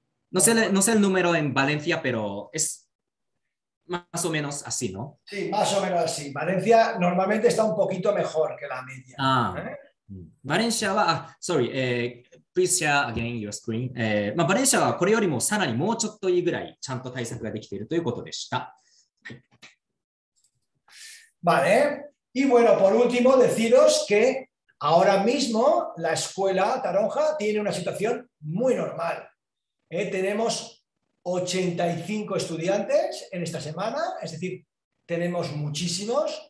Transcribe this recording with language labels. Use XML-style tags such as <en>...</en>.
<es>No sé el número en Valencia, pero es más o menos así, ¿no? Sí, más o menos así. Valencia normalmente está un poquito mejor que la media. Ah, Valencia va...</es> <en>Sorry, please share again your screen.</en> <ja>Valencia はこれよりもさらにもうちょっといいぐらいちゃんと対策ができているということでした。</ja> <es>Vale, y bueno, por último deciros que ahora mismo la escuela Taronja tiene una situación muy normal. Tenemos 85 estudiantes en esta semana, es decir, tenemos muchísimos.</es>